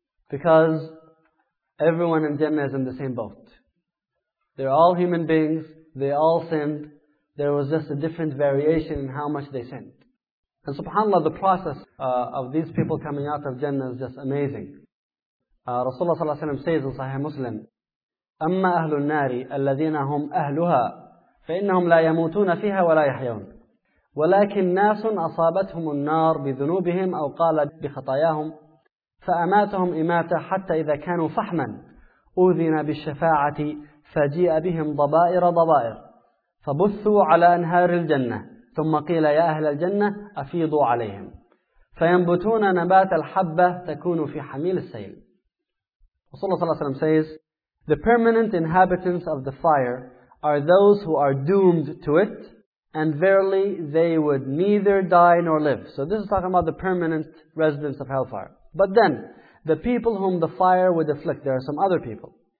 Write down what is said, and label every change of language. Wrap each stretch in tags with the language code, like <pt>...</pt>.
<en>Because everyone in Jannah is in the same boat. They're all human beings, they all sinned, there was just a different variation in how much they sinned. And subhanAllah, the process of these people coming out of Jannah is just amazing. Rasulullah sallallahu alayhi wa sallam says in Sahih Muslim,</en> <ar>أَمَّا أَهْلُ النَّارِ الَّذِينَ هُمْ أَهْلُهَا فَإِنَّهُمْ لَا يَمُوتُونَ فِيهَا وَلَا يَحْيَوْنَ وَلَكِنْ نَاسٌ أَصَابَتْهُمُ النَّارِ بِذُنُوبِهِمْ أَوْ قَالَ بِخَطَايَاهُمْ فَأَمَاتَهُمْ إِمَاتَ حَتَّى إِذَا كَانُوا فَحْمًا أُذِنَ بِالشَّفَاعَةِ فَجِئَ بِهِمْ ضَبَائِرَ ضَبَائِرَ فَبُثُّوا عَلَى أَنْهَارِ الْجَنَّةِ ثُمَّ قِيلَ يَا أَهْلَ الْجَنَّةِ أَفِيضُوا عَلَيْهِمْ فَيَنْبُتُونَ نَبَاتَ الْحَبَّةِ تَكُونُ فِي حَمِيلِ السَّيْلِ.</ar> <en>Rasulullah sallallahu alayhi wa sallam says, the permanent inhabitants of the fire are those who are doomed to it, and verily they would neither die nor live. So this is talking about the permanent residents of hellfire. But then, the people whom the fire would afflict, there are some other people.</en>